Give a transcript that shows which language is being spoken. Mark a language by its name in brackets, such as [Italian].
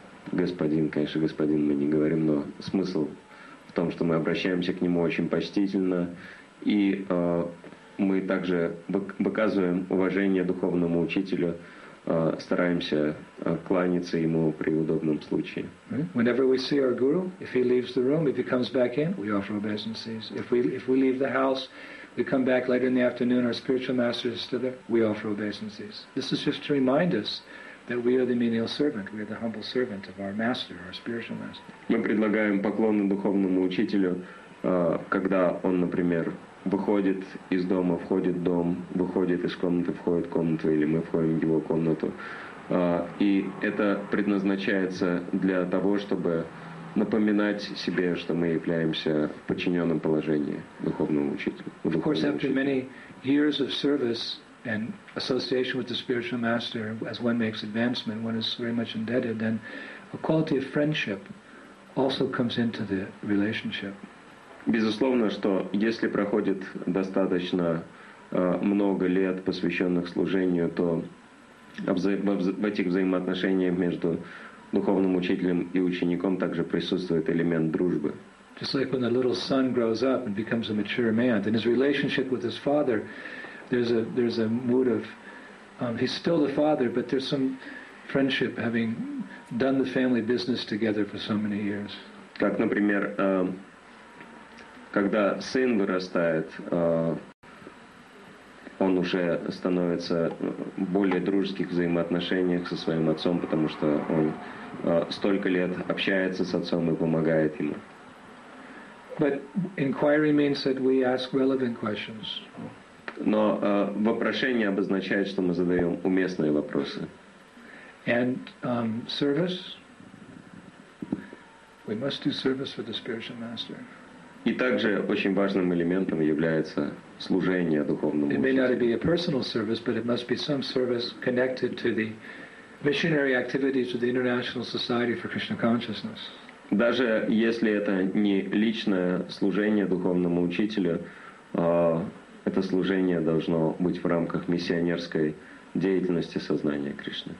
[Russian] господин, конечно, господин мы не говорим, но смысл в том, что мы обращаемся к нему очень почтительно, и мы также выказываем уважение духовному учителю, стараемся кланяться ему при удобном случае. [English] Whenever we see our guru, if he leaves the room, if he comes back in, we offer obeisances. If we leave the house, we come back later in the afternoon, our spiritual master is still there, we offer obeisances. This is just to remind us that we are the menial servant, we are the humble servant of our master, our spiritual master. [Russian] Мы предлагаем поклоны духовному учителю, когда он, например, выходит из дома, входит в дом, выходит из комнаты, входит в комнату, или мы входим в его комнату. И это предназначается для того, чтобы напоминать себе, что мы являемся в подчиненном положении духовному учителю. [English] Of course, after many years of service and association with the spiritual master, as one makes advancement, one is very much indebted, then a quality of friendship also comes into the relationship. [Russian] Безусловно, что если проходит достаточно много лет, посвященных служению, то в этих взаимоотношениях между духовным учителем и учеником также присутствует элемент дружбы. [English] Just like when a little son grows up and becomes a mature man, in his relationship with his father, there's a mood of he's still the father, but there's some friendship, having done the family business together for so many years. [Russian] Как, например, когда сын вырастает, он уже становится в более дружеских взаимоотношениях со своим отцом, потому что он столько лет общается с отцом и помогает ему. [English] But inquiry means that we ask relevant questions. [Russian] Но вопрошение обозначает, что мы задаем уместные вопросы. [English] And service. We must do service for the spiritual master. [Russian] И также очень важным элементом является служение духовному учителю. [English] It may not be a personal service, but it must be some service connected to the missionary activities of the International Society for Krishna Consciousness. [Russian] Даже если это не личное служение духовному учителю, это служение должно быть в рамках миссионерской деятельности сознания Кришны.